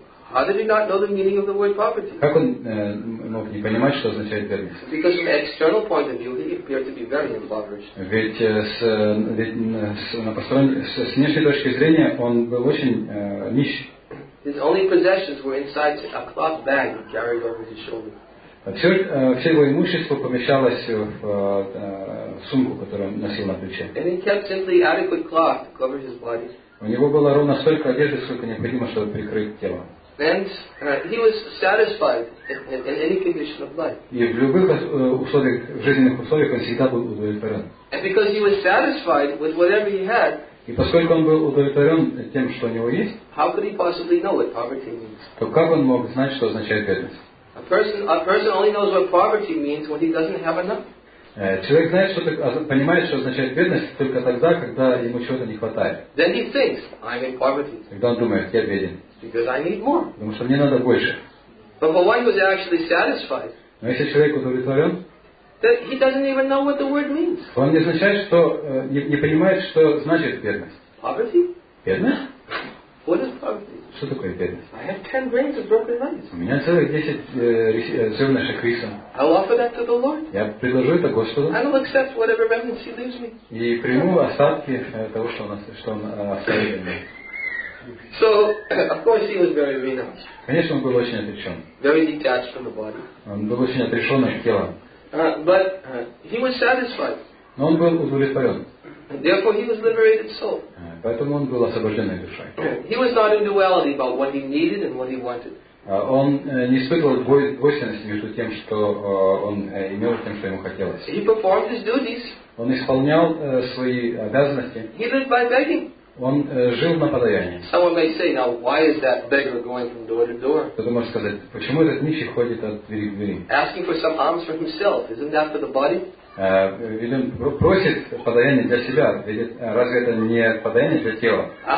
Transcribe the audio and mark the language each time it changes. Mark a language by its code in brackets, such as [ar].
[en] How did he not know the meaning of the word poverty? [ru] Как он мог не понимать, что означает бедность? [en] Because from an external point of view, he appeared to be very impoverished. [ru] Ведь с внешней точки зрения он был очень нищ. [en] His only possessions were inside a cloth bag he carried over his shoulder. [ru] Все его имущество помещалось в сумку, которую он носил на плече. [en] And he kept simply adequate cloth to cover his body. [ru] У него было ровно столько одежды, сколько необходимо, чтобы прикрыть тело. [en] And he was satisfied in any condition of life. [ru] И в любых условиях, жизненных условиях он всегда был удовлетворен. [en] And because he was satisfied with whatever he had. [ru] И поскольку он был удовлетворен тем, что у него есть. [en] How could he possibly know what poverty means? [ru] То как он мог знать, что означает бедность? [en] A person only knows what poverty means when he doesn't have enough. [ru] Человек знает, что понимает, что означает бедность только тогда, когда ему чего-то не хватает. [en] Then he thinks, I'm in poverty. [ru] Тогда он думает, я беден. [en] Because I need more. [ru] Потому что мне надо больше. [en] But one who is actually satisfied. [ru] Но если человек удовлетворен, [en] that he doesn't even know what the word means. [ru] Он не означает, что не понимает, что значит бедность. [en] Poverty? [ru] Бедность? [en] What is poverty? [ru] Что такое бедность? [en] I have 10 grains of broken rice. [ru] У меня целых 10 зерношек риса. [en] I'll offer that to the Lord. [ru] Я предложу это Господу. [en] And I'll accept whatever remnants He leaves me. [ru] И приму остатки того, что он оставил мне. [en] So, of course, he was very renounced. [ru] Конечно, он был очень отрешен. [en] Very detached from the body. [ru] Он был очень отрешен от тела. [en] But he was satisfied. [ru] Но он был удовлетворен. [en] Therefore, he was liberated soul. [ru] Поэтому он был освобожденной душой. [en] He was not in duality about what he needed and what he wanted. [ru] Он не испытывал двойственности между тем, что он имел, тем, что ему хотелось. [en] He performed his duties. [ru] Он исполнял свои обязанности. [en] He lived by begging. [ru] Он жил на подаянии. [en] Someone may say, now why is that beggar going from door to door? [ru] Кто-то может сказать, почему этот нищий ходит от двери к двери? [en] Asking for some alms for himself, isn't that for the body? [ru] Ведь он просит подаяние для себя. Ведь разве это не подаяние для тела?